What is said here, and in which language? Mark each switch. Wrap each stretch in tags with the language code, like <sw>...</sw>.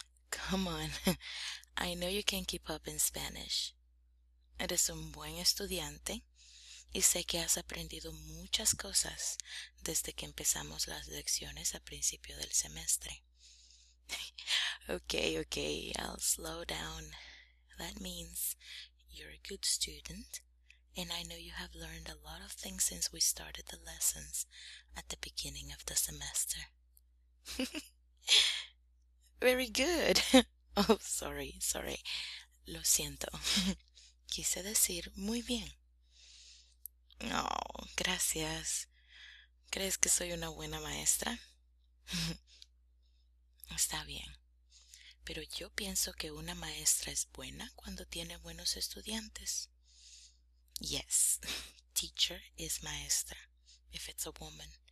<en>Come on, I know you can keep up in Spanish.</en> <es>Eres un buen estudiante y sé que has aprendido muchas cosas desde que empezamos las lecciones a principio del semestre.</es> <en>Okay, I'll slow down. That means you're a good student, and I know you have learned a lot of things since we started the lessons at the beginning of the semester. Very good. Oh, sorry.</en> <es>Lo siento. Quise decir muy bien. Oh, gracias. ¿Crees que soy una buena maestra? Está bien. Pero yo pienso que una maestra es buena cuando tiene buenos estudiantes.</es> <en>Yes, teacher is maestra, if it's a woman.</en>